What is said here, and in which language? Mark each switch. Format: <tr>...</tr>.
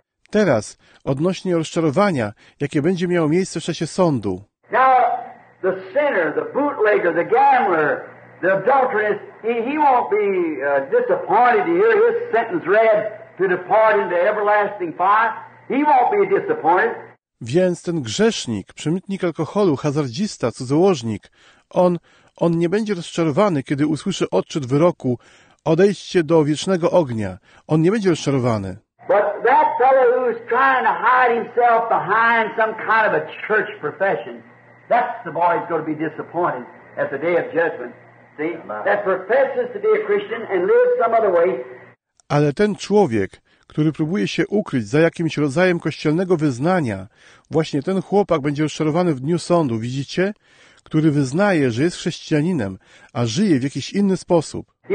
<pl>Teraz, odnośnie rozczarowania, jakie będzie miało miejsce w czasie sądu.</pl> <en>Now, the sinner, the bootlegger, the gambler, the adulteress, he won't be disappointed to hear his sentence read to depart into everlasting fire. He won't be disappointed.</en> <pl>Więc ten grzesznik, przemytnik alkoholu, hazardzista, cudzołożnik, on nie będzie rozczarowany, kiedy usłyszy odczyt wyroku, odejście do wiecznego ognia. On nie będzie rozczarowany.</pl> <en>But that fellow who is trying to hide himself behind some kind of a church profession, that's the boy who's going to be disappointed at the day of judgment. See? That professes to be a Christian and lives some other way.</en> <pl>Ale ten człowiek, który próbuje się ukryć za jakimś rodzajem kościelnego wyznania, właśnie ten chłopak będzie rozczarowany w dniu sądu, widzicie? Który wyznaje, że jest chrześcijaninem, a żyje w jakiś inny sposób.</pl>